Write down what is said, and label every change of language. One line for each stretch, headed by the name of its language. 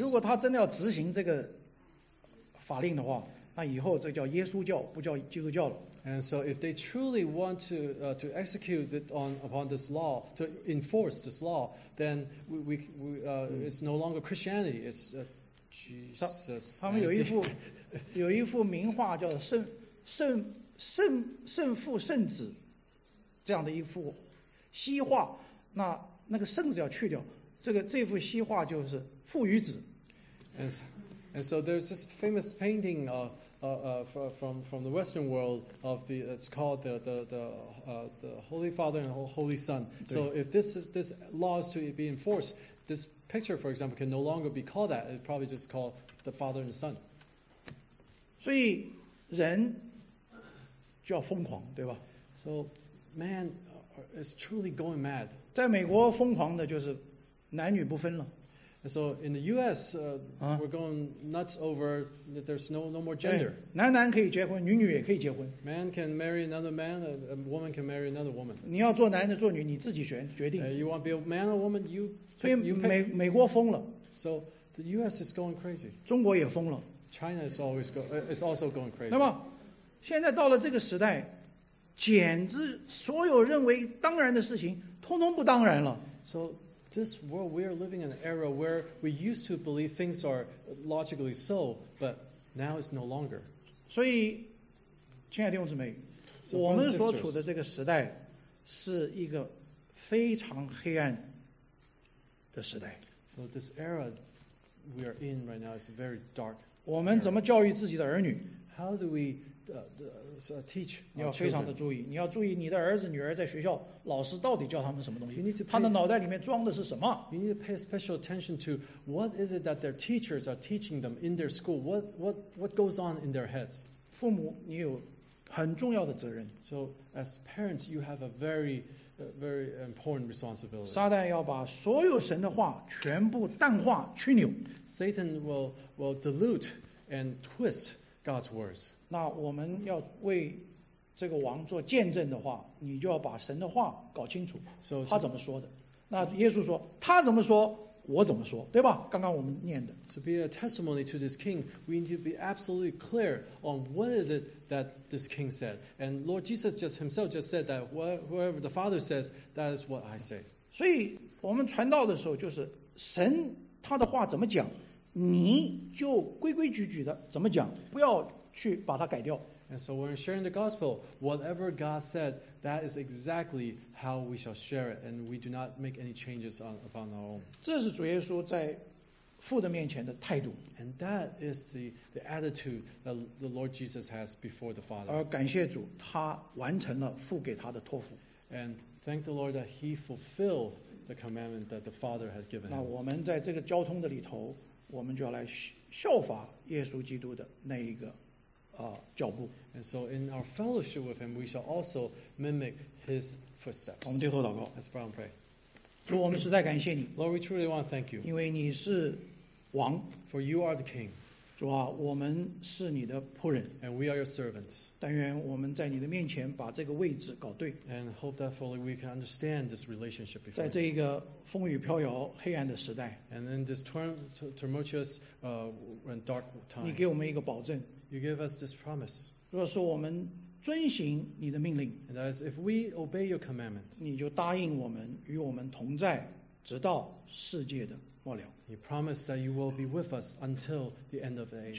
Chinese: 如果他真的要执行这个法令的话，那以后这叫耶稣教，不叫基督教了。
English: And so if they truly want to execute it upon this law, to enforce this law, then it's no longer Christianity. It's Jesus.
Chinese: 他们有一幅名画叫圣父圣子这样的一幅西画，那个圣子要去掉，这幅西画就是父与子。
English: And so there's this famous painting from the Western world of the it's called the Holy Father and Holy Son. So if this law is to be enforced, this picture, for example, can no longer be called that. It's probably just called the Father and Son.
Chinese: 所以人就要疯狂，对吧？
English: So man is truly going mad.
Chinese: 在美国疯狂的就是男女不分了。
English: And so in the U.S., we're going nuts over that there's no more gender.
Chinese: 男男可以结婚，女女也可以结婚。
English: Man can marry another man, a woman can marry another woman.
Chinese: 你要做男的做女，你自己选决定。
English: You want to be a man or woman, you pick,
Chinese: 所以美国疯了。
English: So the U.S. is going crazy.
Chinese: 中国也疯了。
English: China is always is also going crazy.
Chinese: 那么现在到了这个时代，简直所有认为当然的事情，通通不当然了。
English: So,this world, we are living in an era where we used to believe things are logically so, but now it's no longer.
Chinese: 所以，亲爱的弟兄姊妹，我们所处的这个时代是一个非常黑暗的时代。
English: So this era we are in right now is very dark.
Chinese: 我们怎么教育自己的儿女？
English: How do we teach?
Chinese: 你要非常的注意，你要注意你的儿子女儿在学校老师到底教他们什么东西。
English: You need to pay,
Chinese: 他的脑袋里面装的是什么
English: ？You need to pay special attention to what is it that their teachers are teaching them in their school. What goes on in their heads?
Chinese: 父母，你有很重要的责任。
English: So as parents, you have a very, very important responsibility.
Chinese: 撒旦要把所有神的话全部淡化去扭。
English: Satan will dilute and twist. God's words.
Chinese: 那我们要为这个王做见证的话，你就要把神的话搞清楚，他怎么说的。那耶稣说，他怎么说，我怎么说，对吧？刚刚我们念的。
English: So be a testimony to this king. We need to be absolutely clear on what is it that this king said. And Lord Jesus just himself just said that whatever the Father says, that is what I say.
Chinese: 所以我们传道的时候，就是神他的话怎么讲。你就规规矩矩的怎么讲，不要去把它改掉。
English: And so when sharing the gospel, whatever God said, that is exactly how we shall share it, and we do not make any changes upon our own.
Chinese: 这是主耶稣在父的面前的态度。
English: And that is the attitude that the Lord Jesus has before the Father.
Chinese: 而感谢主，他完成了父给他的托付。
English: And thank the Lord that He fulfilled the commandment that the Father had given him.
Chinese: 那我们在这个交通的里头。我们就要来效法耶稣基督的那一个脚步。
English: And so in our fellowship with him, we shall also mimic his footsteps.
Chinese: 我们低头祷告。
English: Let's pray and pray.
Chinese: 主，我们实在感谢你。
English: Lord, we truly want to thank you.
Chinese: 因为你是王。
English: For you are the king.
Chinese: 主啊，我们是你的仆人。
English: And we are your servants.
Chinese: 但愿我们在你的面前把这个位置搞对。
English: And hope that fully we can understand this relationship before.
Chinese: 在这一个风雨飘摇黑暗的时代
English: and in this tumultuous and dark time
Chinese: 你给我们一个保证
English: you give us this promise
Chinese: 若是我们遵行你的命令
English: and that is if we obey your commandment
Chinese: 你就答应我们与我们同在直到世界的末了
English: you promise that you will be with us until the end of the age